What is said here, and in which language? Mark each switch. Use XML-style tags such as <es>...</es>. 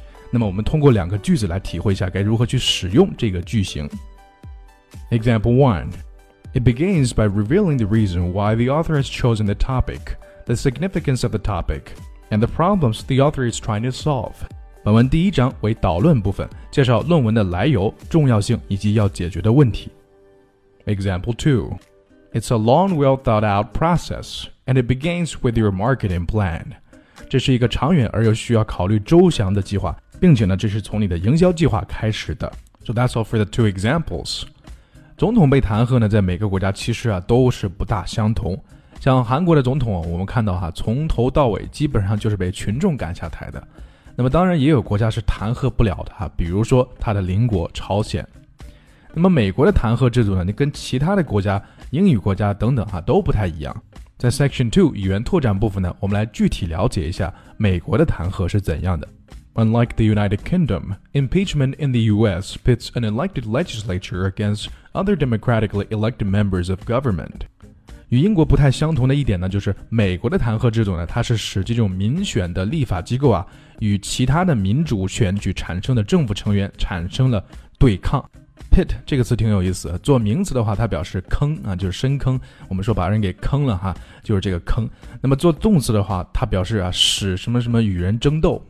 <zh>那么我们通过两个句子来体会一下该如何去使用这个句型。</zh> <en>Example 1， It begins by revealing the reason why the author has chosen the topic, the significance of the topicand the problems the author is trying to solve。</en> <zh>本文第一章为导论部分，介绍论文的来由、重要性以及要解决的问题。</zh> <en>Example 2， It's a long well thought out process and it begins with your marketing plan。</en> <zh>这是一个长远而又需要考虑周详的计划，并且呢这是从你的营销计划开始的。</zh> <en>So that's all for the two examples。</en> <zh>总统被弹劾呢在每个国家其实都是不大相同，像韩国的总统我们看到从头到尾基本上就是被群众赶下台的，那么当然也有国家是弹劾不了的，比如说他的邻国朝鲜。那么美国的弹劾制度呢跟其他的国家英语国家等等都不太一样。在 Section 2语言拓展部分呢，我们来具体了解一下美国的弹劾是怎样的。</zh> <en>Unlike the United Kingdom, impeachment in the US pits an elected legislature against other democratically elected members of government。</en> <zh>与英国不太相同的一点呢，就是美国的弹劾制度呢，它是使这种民选的立法机构啊，与其他的民主选举产生的政府成员产生了对抗。 Pit 这个词挺有意思，做名词的话，它表示坑啊，就是深坑。我们说把人给坑了就是这个坑。那么做动词的话，它表示使什么什么与人争斗。</zh>